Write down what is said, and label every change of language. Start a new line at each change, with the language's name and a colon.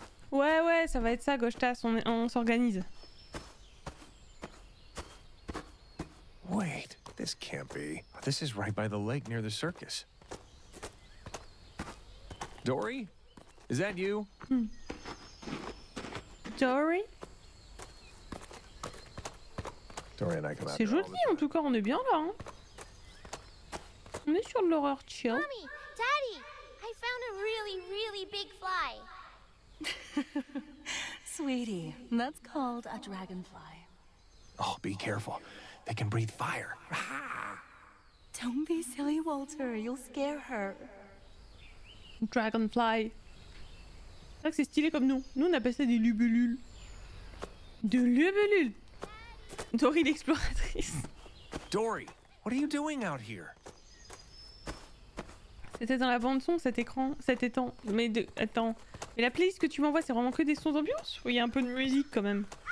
French: Ouais, ça va être ça, Gostas, on s'organise.
English: Wait, this can't be. This is right by the lake near the circus. Dory? Is that you? Dory?
French: C'est joli, en tout cas, on est bien là. Hein. On est sur de l'horreur chill.
English: Mommy, Daddy, I found a really, really big fly. Sweetie, that's called a dragonfly. Oh, be careful. They can breathe fire. Don't be silly, Walter. You'll scare her. Dragonfly.
French: C'est vrai que c'est stylé comme nous. Nous, on appelle ça des lubulules. Des lubulules. Dory l'exploratrice.
English: Dory, what are you doing out here?
French: C'était dans la bande son cet écran, cet étang. Mais attends. Et la playlist que tu m'envoies, c'est vraiment que des sons d'ambiance? Ou il y a un peu de musique quand même?